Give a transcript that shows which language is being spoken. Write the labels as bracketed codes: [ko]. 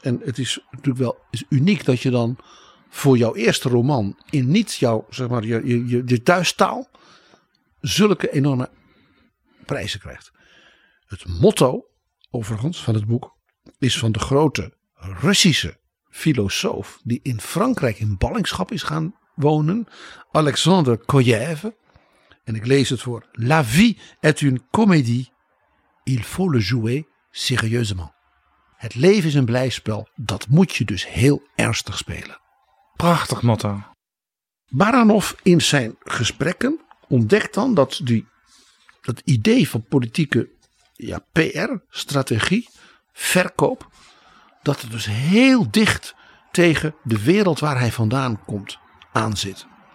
[nl] En het is natuurlijk wel is uniek dat je dan voor jouw eerste roman in niet jouw, zeg maar, je thuistaal zulke enorme prijzen krijgt. Het motto, overigens, van het boek is van de grote Russische filosoof die in Frankrijk in ballingschap is gaan wonen, Alexandre Kojève. En ik lees het voor. [fr] La vie est une comédie. Il faut le jouer sérieusement. [nl] Het leven is een blijspel. Dat moet je dus heel ernstig spelen. Prachtig motto. Baranov in zijn gesprekken ontdekt dan dat dat idee van politieke PR-strategie, verkoop, dat het dus heel dicht tegen de wereld waar hij vandaan komt aanzit.